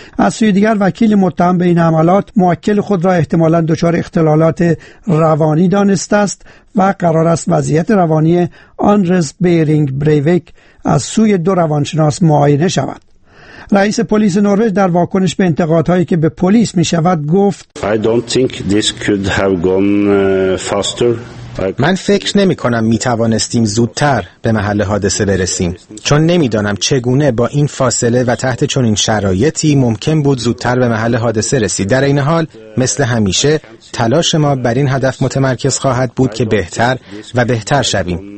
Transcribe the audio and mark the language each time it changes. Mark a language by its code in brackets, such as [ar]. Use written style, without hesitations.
[fa] از سوی دیگر وکیل متهم به این حملات موکل خود را احتمالاً دچار اختلالات روانی دانسته است و قرار است وضعیت روانی آنرز بیرینگ بریویک از سوی دو روانشناس معاینه شود. رئیس پلیس نروژ در واکنش به انتقادهایی که به پلیس می شود گفت [en] I don't think this could have gone faster. [fa] من فکر نمی کنم می توانستیم زودتر به محل حادثه برسیم، چون نمی دانم چگونه با این فاصله و تحت چنین شرایطی ممکن بود زودتر به محل حادثه رسید. در این حال مثل همیشه تلاش ما بر این هدف متمرکز خواهد بود که بهتر و بهتر شویم.